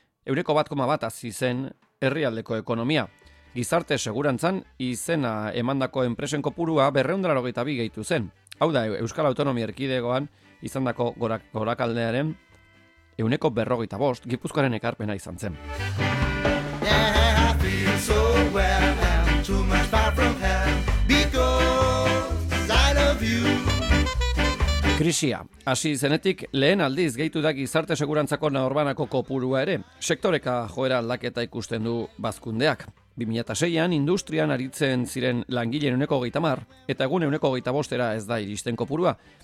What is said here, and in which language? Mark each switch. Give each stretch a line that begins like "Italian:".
Basque: 1,1 hasi zen herrialdeko ekonomia. Gizarte segurantzan izena emandako enpresen kopurua 282 gehitu zen. Hau da, Euskal Autonomia Erkidegoan izandako gorakaldearen 145% Gipuzkoaren ekarpena izan zen.
English: Yeah, I feel so well and too much far from hell because I love you.
Basque: Krisia, hasi zenetik lehen aldiz gehitu da gizarte segurantzako norbanako kopurua ere. Sektoreka joera aldaketa ikusten du bazkundeak. 2006an industrian aritzen ziren langileen 130 eta egun 135 ez da iristen kopurua.